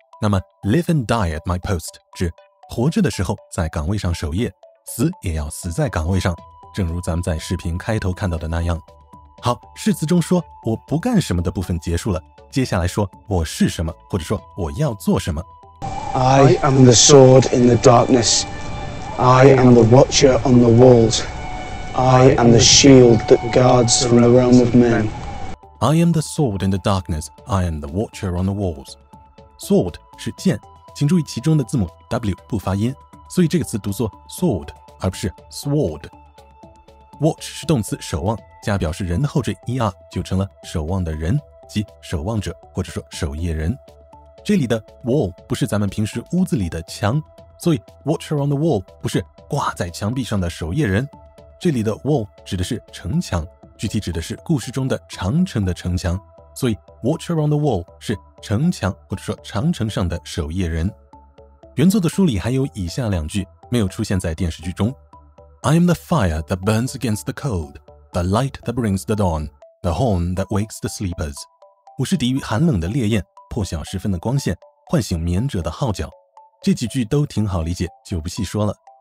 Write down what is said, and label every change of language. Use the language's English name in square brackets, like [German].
[Chinese] 那么 [English] live and die at my post [Chinese] 指活着的时候在岗位上守夜，死也要死在岗位上，正如咱们在视频开头看到的那样。好，世子中说我不干什么的部分结束了，接下来说我是什么，或者说我要做什么。 [English] I am the sword in the darkness， I am the watcher on the walls，I am the shield that guards from the realm of men. I am the sword in the darkness. I am the watcher on the walls. [Chinese] Sword 是剑，请注意其中的字母 W 不发音，所以这个词读作 sword 而不是 sword. Watch 是动词守望，加表示人的后缀 er 就成了守望的人，即守望者或者说守夜人。这里的 wall 不是咱们平时屋子里的墙，所以 [English] watcher on the wall [Chinese] 不是挂在墙壁上的守夜人。这里的 wall 指的是城墙，具体指的是故事中的长城的城墙，所以 [English] watcher on the wall [Chinese] 是城墙或者说长城上的守夜人。原作的书里还有以下两句没有出现在电视剧中。 [English] I am the fire that burns against the cold, the light that brings the dawn, the horn that wakes the sleepers. [Chinese] 我是抵御寒冷的烈焰，破晓时分的光线，唤醒眠者的号角。这几句都挺好理解，就不细说了。